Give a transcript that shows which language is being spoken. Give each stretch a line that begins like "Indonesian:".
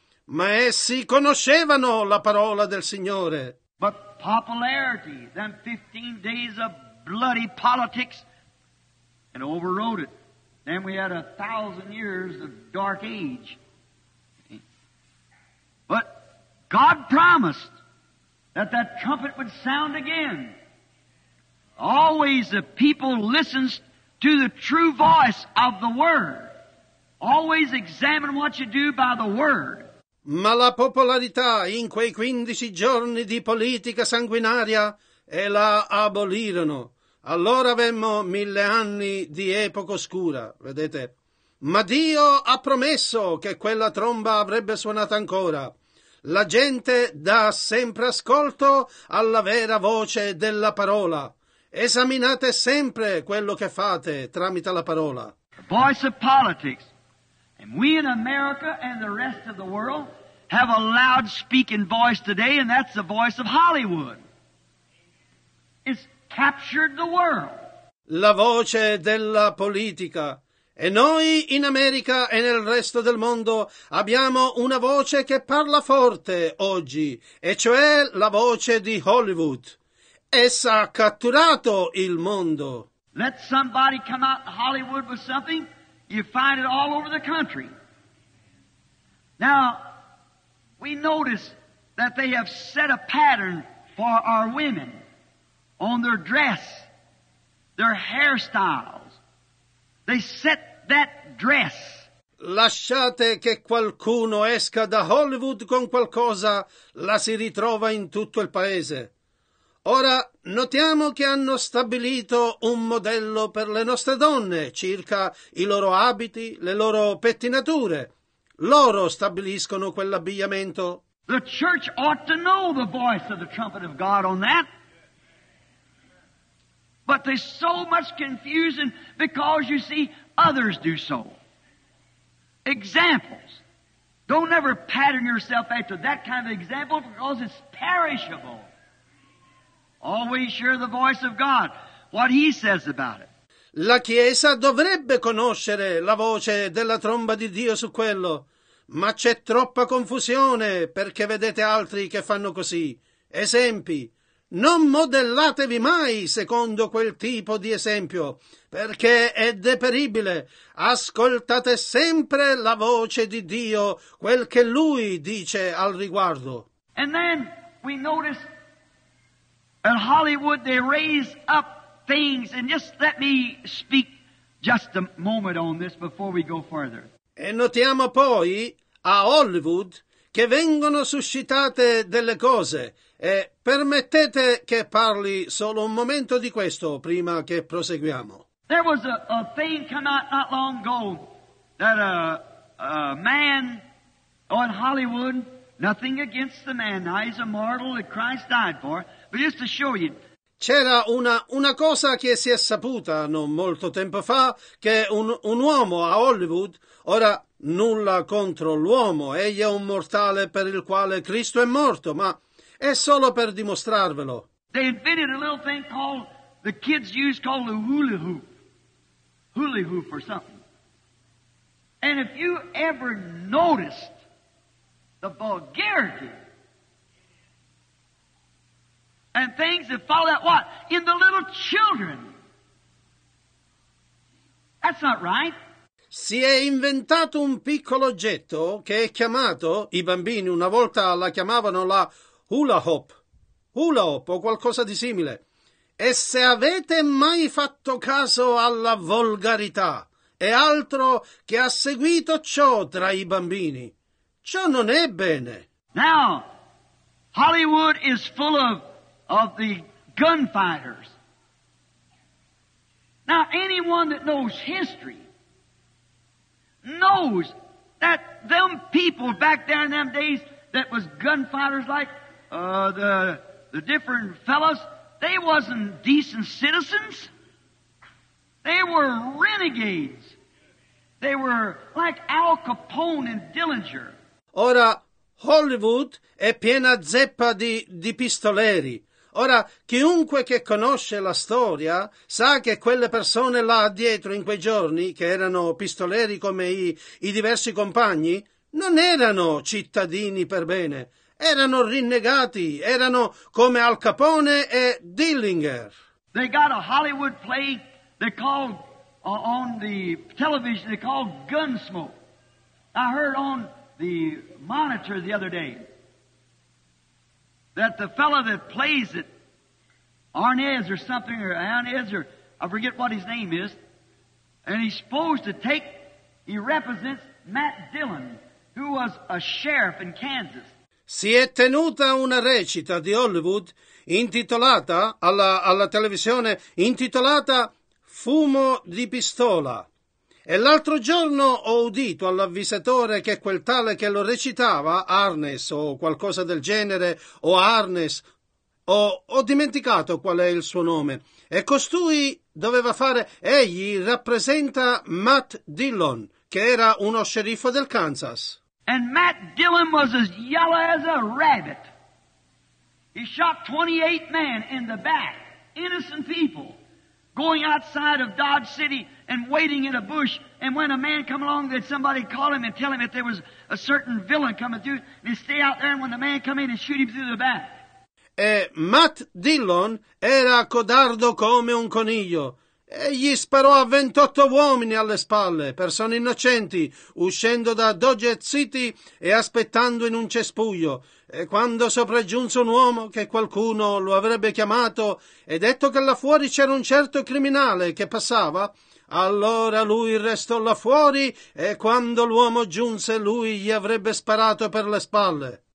Italian: Ma essi conoscevano la parola del Signore.
English: But popularity, them 15 days of bloody politics, and overrode it. Then we had 1,000 years of dark age. But God promised that that trumpet would sound again. Always the people listens to the true voice of the Word. Always examine what you do by the Word.
Italian: Ma la popolarità in quei 15 giorni di politica sanguinaria e la abolirono. Allora avemmo 1000 anni di epoca oscura, vedete? Ma Dio ha promesso che quella tromba avrebbe suonato ancora. La gente dà sempre ascolto alla vera voce della parola. Esaminate sempre quello che fate tramite la parola.
English: The voice of politics. And we in America and the rest of the world have a loud speaking voice today, and that's the voice of Hollywood. It's captured the world.
Italian: La voce della politica. E noi in America e nel resto del mondo abbiamo una voce che parla forte oggi, e cioè la voce di Hollywood. Essa ha catturato il mondo.
English: Let somebody come out in Hollywood with something, you find it all over the country. Now, we notice that they have set a pattern for our women on their dress, their hairstyles. They set that dress.
Italian: Lasciate che qualcuno esca da Hollywood con qualcosa, la si ritrova in tutto il paese. Ora, notiamo che hanno stabilito un modello per le nostre donne, circa i loro abiti, le loro pettinature. Loro stabiliscono quell'abbigliamento.
English: The church ought to know the voice of the trumpet of God on that. But there's so much confusion because, you see, others do so. Examples. Don't ever pattern yourself after that kind of example because it's perishable. Always hear the voice of God, what he says about it.
Italian: La Chiesa dovrebbe conoscere la voce della tromba di Dio su quello, ma c'è troppa confusione perché vedete altri che fanno così. Esempi. Non modellatevi mai secondo quel tipo di esempio, perché è deperibile. Ascoltate sempre la voce di Dio, quel che Lui dice al riguardo.
English: And then we notice in Hollywood they raise up things, and just let me speak just a moment on this before we go further.
Italian: E notiamo poi a Hollywood che vengono suscitate delle cose. E permettete che parli solo un momento di questo prima che proseguiamo.
English: There was a thing come out not long ago that a man on Hollywood, nothing against the man, now he's a mortal that Christ died for, but just to show you.
Italian: C'era una cosa che si è saputa non molto tempo fa, che un uomo a Hollywood, ora nulla contro l'uomo, egli è un mortale per il quale Cristo è morto, ma è solo per dimostrarvelo.
English: They invented a little thing called, the kids use called a hula hoop or something. And if you ever noticed the vulgarity and things that follow that, what? In the little children. That's not right.
Italian: Si è inventato un piccolo oggetto che è chiamato, i bambini una volta la chiamavano la hula hoop o qualcosa di simile. E se avete mai fatto caso alla volgarità, è altro che ha seguito ciò tra i bambini. Ciò non è bene.
English: Now, Hollywood is full of the gunfighters. Now, anyone that knows history knows that them people back there in them days that was gunfighters like the different fellows, they wasn't decent citizens. They were renegades. They were like Al Capone and Dillinger.
Italian: Ora, Hollywood è piena zeppa di pistoleri. Ora, chiunque che conosce la storia sa che quelle persone là dietro in quei giorni, che erano pistoleri come i diversi compagni, non erano cittadini per bene. Erano rinnegati, erano come Al Capone e Dillinger.
English: They got a Hollywood play they called on the television, they called Gunsmoke. I heard on the monitor the other day that the fellow that plays it, Arnaz or something, or Arnaz, or I forget what his name is, and he's supposed to take, he represents Matt Dillon, who was a sheriff in Kansas.
Italian: Si è tenuta una recita di Hollywood intitolata, alla televisione, intitolata Fumo di pistola. E l'altro giorno ho udito all'avvisatore che quel tale che lo recitava, Arnes o qualcosa del genere, o Arnes, ho dimenticato qual è il suo nome, e costui doveva fare, egli rappresenta Matt Dillon, che era uno sceriffo del Kansas.
English: And Matt Dillon was as yellow as a rabbit. He shot 28 men in the back, innocent people, going outside of Dodge City and waiting in a bush. And when a man come along, did somebody call him and tell him that there was a certain villain coming through? And he'd stay out there, and when the man come in, and shoot him through the back.
Italian: E Matt Dillon era codardo come un coniglio. E gli sparò a 28 uomini alle spalle, persone innocenti, uscendo da Dodge City e aspettando in un cespuglio. E quando sopraggiunse un uomo che qualcuno lo avrebbe chiamato e detto che là fuori c'era un certo criminale che passava, allora lui restò là fuori e quando l'uomo giunse lui gli avrebbe sparato per le spalle.